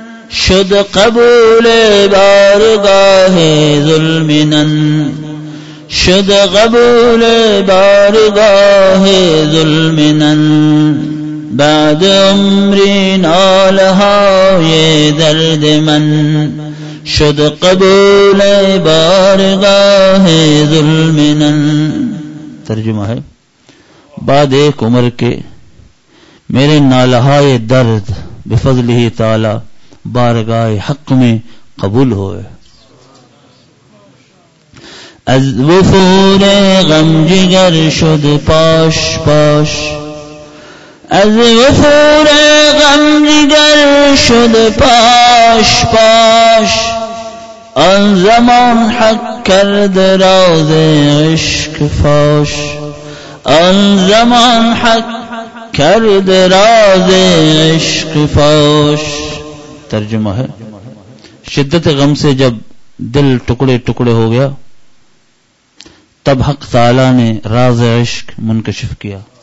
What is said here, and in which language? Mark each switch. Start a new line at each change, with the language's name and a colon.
Persian: شد قبول بارگاه ظلمنن شد قبول بارگاه ظلمنن بعد عمری نال های درد من شد قبول بارگاہ ظلمنا
Urdu: ترجمہ ہے بعد ایک عمر کے میرے نالہ درد بفضل ہی تعالی بارگاہ حق میں قبول ہوئے
Persian: از وفور غم جگر شد پاش پاش از وفور غم جگر شد پاش پاش آن زمان حق کرد راز عشق فاش آن زمان حق کرد راز عشق فاش
Urdu: ترجمہ ہے شدت غم سے جب دل ٹکڑے ٹکڑے ہو گیا تب حق تعالی نے راز عشق منکشف کیا